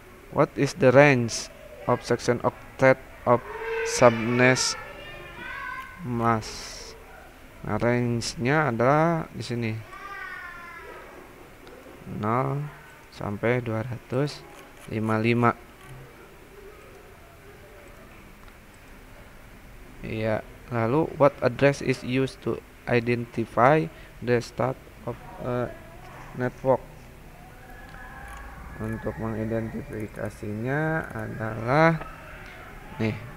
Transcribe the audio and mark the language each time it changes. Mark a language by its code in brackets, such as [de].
[en] What is the range of section octet of subnet mask? [id] Nah, range-nya adalah di sini 0 sampai 255. Iya, lalu [en] what address is used to identify the start of a network? [id] Untuk mengidentifikasinya adalah nih.